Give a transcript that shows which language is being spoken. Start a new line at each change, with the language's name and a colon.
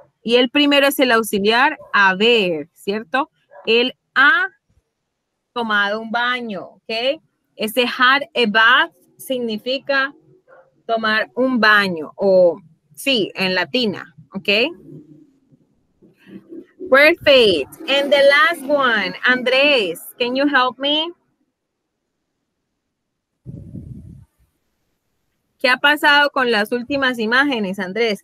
Spanish: Y el primero es el auxiliar, haber, ¿cierto? Él ha tomado un baño, ¿ok? Ese
English: had a bath
Spanish: significa tomar un baño, o sí, en latina, ¿ok?
English: Perfect. And the last one, Andrés, can you help me?
Spanish: ¿Qué ha pasado con las últimas imágenes, Andrés?